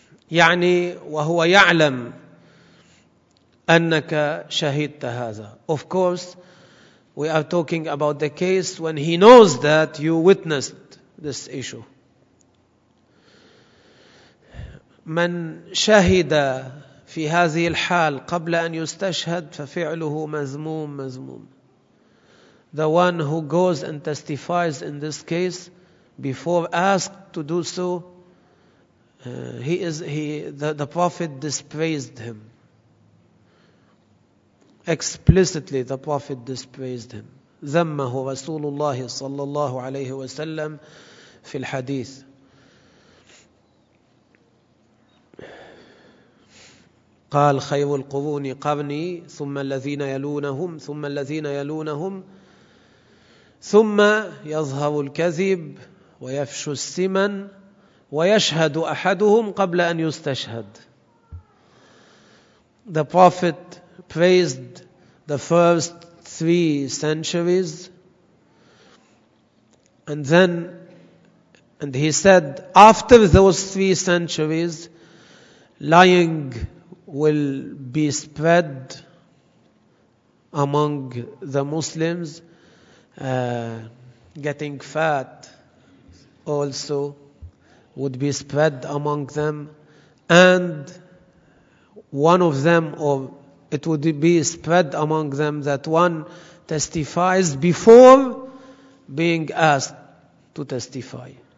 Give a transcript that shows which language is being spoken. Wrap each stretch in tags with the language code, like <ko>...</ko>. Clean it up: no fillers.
<ar>يعني وهو يعلم أنك شهدت هذا.</ar> <en>Of course, we are talking about the case when he knows that you witnessed this issue.</en> <ar>من شهد في هذه الحال قبل أن يستشهد ففعله مذموم مذموم.</ar> <en>The one who goes and testifies in this case before asked to do so, the Prophet dispraised him. Explicitly the Prophet dispraised him.</en> <ar>ذمه رسول الله صلى الله عليه وسلم في الحديث. قال خير القرون قرني ثم الذين يلونهم ثم الذين يلونهم ثم يظهر الكذب ويفشو السمن ويشهد أحدهم قبل أن يستشهد.</ar> <en>The Prophet praised the first 3 centuries. And then, and he said, after those 3 centuries, lying will be spread among the Muslims, getting fat also would be spread among them, and one of them, or it would be spread among them, that one testifies before being asked to testify.</en>